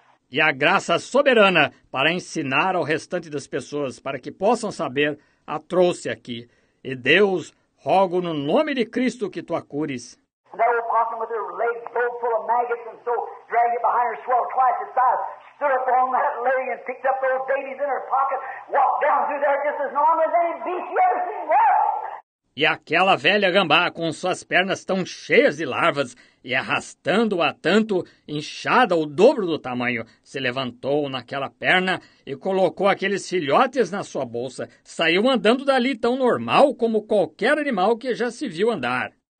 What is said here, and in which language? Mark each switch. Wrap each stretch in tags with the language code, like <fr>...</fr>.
<pt>E a graça soberana para ensinar ao restante das pessoas, para que possam saber, a trouxe aqui. E Deus... Rogo no nome de Cristo que tu a cures.</pt> <en>That old possum with her legs so full of maggots and so dragged it behind her, swelled twice its size, stood up on that leg and picked up those babies in her pocket, walked down through there just as normal as any beast you ever seen walk.</en> <pt>E aquela velha gambá, com suas pernas tão cheias de larvas e arrastando-a tanto, inchada o dobro do tamanho, se levantou naquela perna e colocou aqueles filhotes na sua bolsa. Saiu andando dali tão normal como qualquer animal que já se viu andar.</pt>